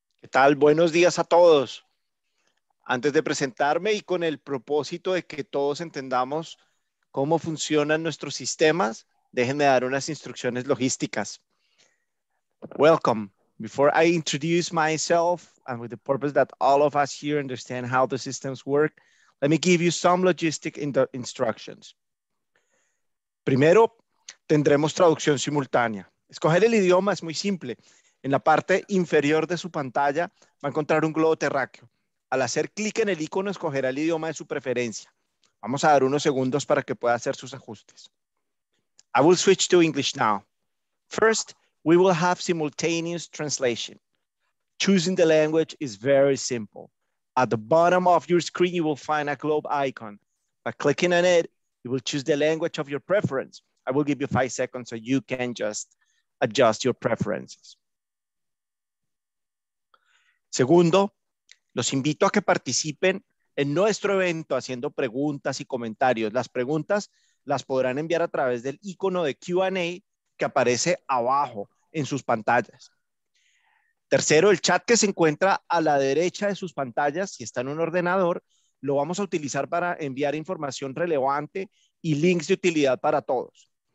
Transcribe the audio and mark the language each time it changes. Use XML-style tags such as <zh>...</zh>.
<es>Tal, buenos días a todos. Antes de presentarme y con el propósito de que todos entendamos cómo funcionan nuestros sistemas, déjenme dar unas instrucciones logísticas.</es> <en>Welcome. Before I introduce myself and with the purpose that all of us here understand how the systems work, let me give you some logistic instructions.</en> <es>Primero, tendremos traducción simultánea. Escoger el idioma es muy simple. En la parte inferior de su pantalla va a encontrar un globo terráqueo. Al hacer clic en el icono, escogerá el idioma de su preferencia. Vamos a dar unos segundos para que pueda hacer sus ajustes.</es> <en>I will switch to English now. First, we will have simultaneous translation. Choosing the language is very simple. At the bottom of your screen, you will find a globe icon. By clicking on it, you will choose the language of your preference. I will give you 5 seconds so you can just adjust your preferences.</en> <es>Segundo, los invito a que participen en nuestro evento haciendo preguntas y comentarios. Las preguntas las podrán enviar a través del icono de Q&A que aparece abajo en sus pantallas. Tercero, el chat que se encuentra a la derecha de sus pantallas, si está en un ordenador, lo vamos a utilizar para enviar información relevante y links de utilidad para todos.</es>